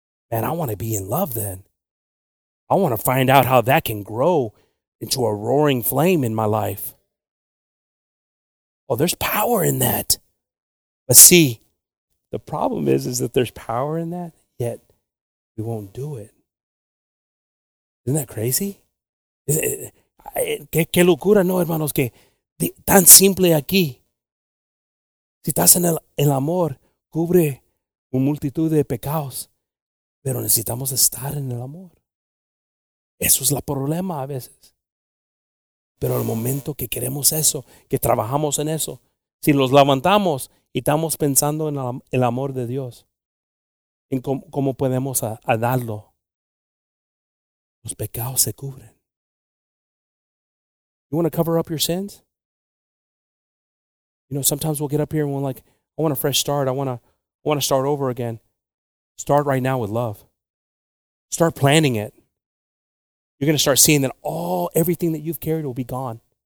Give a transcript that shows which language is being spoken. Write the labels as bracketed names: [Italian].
[English] Man, I want to be in love then. I want to find out how that can grow into a roaring flame in my life. Oh, there's power in that. But see, the problem is that there's power in that, yet we won't do it. Isn't that crazy? [Spanish] Qué locura, no, hermanos, que tan simple aquí. Si estás en el amor, cubre una multitud de pecados. Pero necesitamos estar en el amor. Eso es el problema a veces. Pero al momento que queremos eso, que trabajamos en eso, si los levantamos y estamos pensando en el amor de Dios, en cómo podemos a darlo, los pecados se cubren. [English] You want to cover up your sins? You know, sometimes we'll get up here and we're like, I want a fresh start. I want to start over again. Start right now with love. Start planning it. You're going to start seeing that everything that you've carried will be gone.